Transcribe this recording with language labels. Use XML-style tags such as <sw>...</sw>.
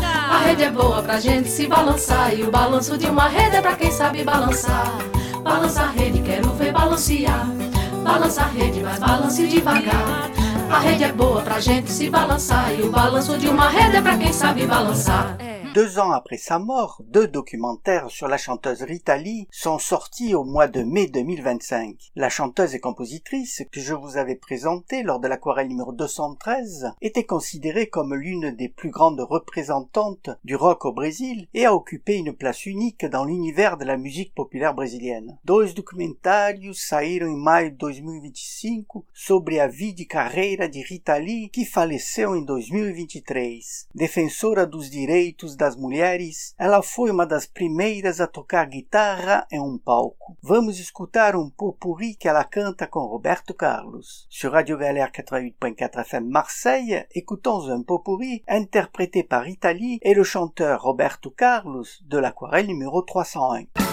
<pt>A rede é boa pra gente se balançar, e o balanço de uma rede é pra quem sabe balançar. Balança a rede, quero ver balancear. Balança a rede, mas balance devagar. A rede é boa pra gente se balançar, e o balanço de uma rede é pra quem sabe balançar.</pt> <fr>2 ans après sa mort, 2 documentaires sur la chanteuse Rita Lee sont sortis au mois de mai 2025. La chanteuse et compositrice que je vous avais présentée lors de l'aquarelle numéro 213 était considérée comme l'une des plus grandes représentantes du rock au Brésil et a occupé une place unique dans l'univers de la musique populaire brésilienne.</fr> <pt>2 documentários saíram em maio de 2025 sobre a vida e carreira de Rita Lee, que faleceu em 2023. Defensora dos direitos das mulheres, ela foi uma das primeiras a tocar guitarra em um palco. Vamos escutar um popurri que ela canta com Roberto Carlos.</pt> <fr>Sur Radio Galère 88.4 FM Marseille, écoutons un popurri interprété par Rita Lee et le chanteur Roberto Carlos de l'aquarelle numéro 301.</fr>